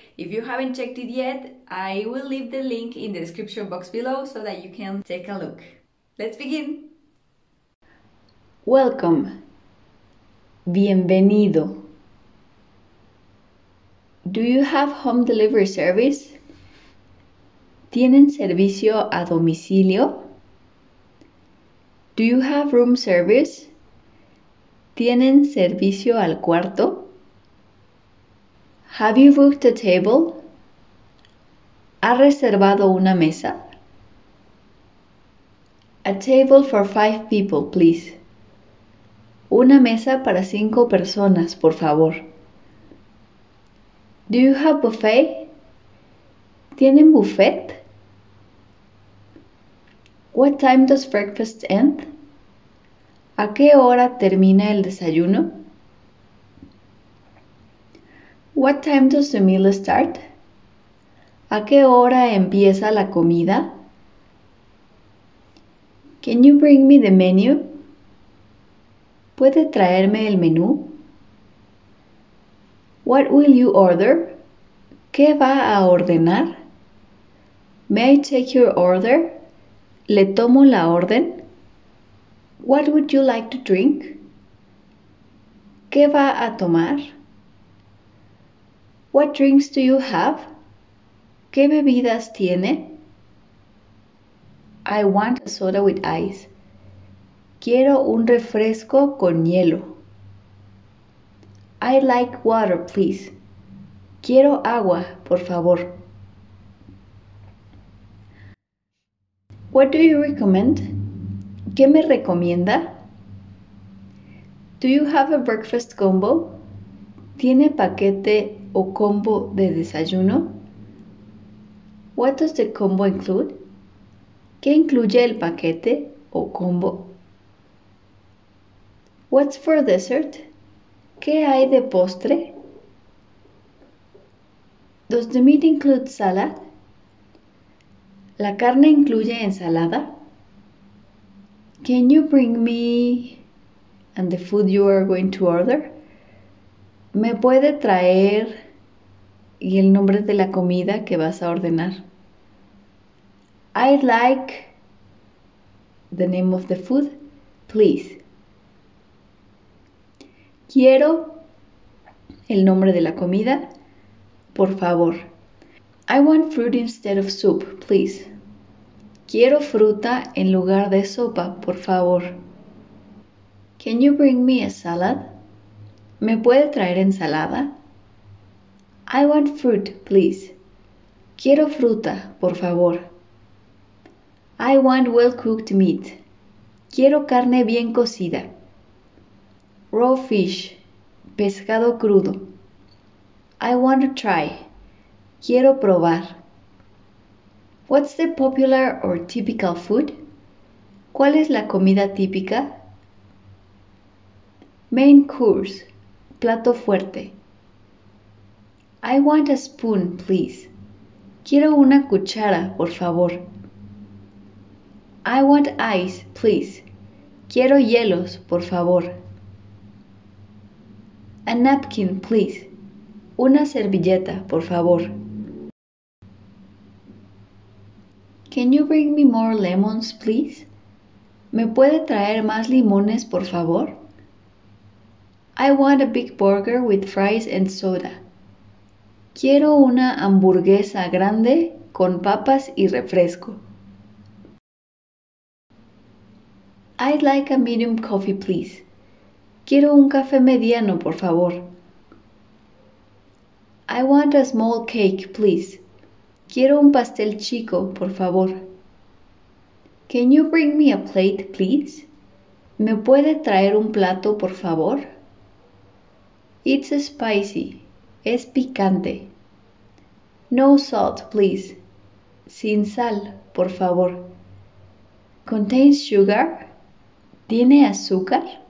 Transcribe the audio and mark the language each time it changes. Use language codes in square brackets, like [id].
[en] If you haven't checked it yet, I will leave the link in the description box below so that you can take a look. Let's begin! Welcome. [es] Bienvenido. [en] Do you have home delivery service? [es] ¿Tienen servicio a domicilio? [en] Do you have room service? [es] ¿Tienen servicio al cuarto? [en] Have you booked a table? [es] ¿Ha reservado una mesa? [en] A table for 5 people, please. [es] Una mesa para 5 personas, por favor. [en] Do you have buffet? [es] ¿Tienen buffet? [en] What time does breakfast end? [es] ¿A qué hora termina el desayuno? [en] What time does the meal start? [es] ¿A qué hora empieza la comida? [en] Can you bring me the menu? [es] ¿Puede traerme el menú? [en] What will you order? [es] ¿Qué va a ordenar? [en] May I take your order? [es] ¿Le tomo la orden? [en] What would you like to drink? [es] ¿Qué va a tomar? [en] What drinks do you have? [es] ¿Qué bebidas tiene? [en] I want a soda with ice. [es] Quiero un refresco con hielo. [en] I like water, please. [es] Quiero agua, por favor. [en] What do you recommend? [es] ¿Qué me recomienda? [en] Do you have a breakfast combo? [es] ¿Tiene paquete o combo de desayuno? [en] What does the combo include? [es] ¿Qué incluye el paquete o combo? [en] What's for dessert? ¿Qué hay de postre? Does the meat include salad? [es] ¿La carne incluye ensalada? [en] Can you bring me and the food you are going to order? [es] ¿Me puede traer y el nombre de la comida que vas a ordenar? [en] I'd like the name of the food, please. [es] Quiero el nombre de la comida, por favor. [en] I want fruit instead of soup, please. [es] Quiero fruta en lugar de sopa, por favor. [en] Can you bring me a salad? [es] ¿Me puede traer ensalada? [en] I want fruit, please. [es] Quiero fruta, por favor. [en] I want well-cooked meat. [es] Quiero carne bien cocida. [en] Raw fish. [es] Pescado crudo. [en] I want to try. [es] Quiero probar. [en] What's the popular or typical food? [es] ¿Cuál es la comida típica? [en] Main course. [es] Plato fuerte. [en] I want a spoon, please. [es] Quiero una cuchara, por favor. [en] I want ice, please. [es] Quiero hielos, por favor. [en] A napkin, please. Una servilleta, por favor. Can you bring me more lemons, please? [es] ¿Me puede traer más limones, por favor? [en] I want a big burger with fries and soda. [es] Quiero una hamburguesa grande con papas y refresco. [en] I'd like a medium coffee, please. [es] Quiero un café mediano, por favor. [en] I want a small cake, please. [es] Quiero un pastel chico, por favor. [en] Can you bring me a plate, please? [es] ¿Me puede traer un plato, por favor? [en] It's spicy. [es] Es picante. [en] No salt, please. [es] Sin sal, por favor. [en] Contains sugar. [es] ¿Tiene azúcar?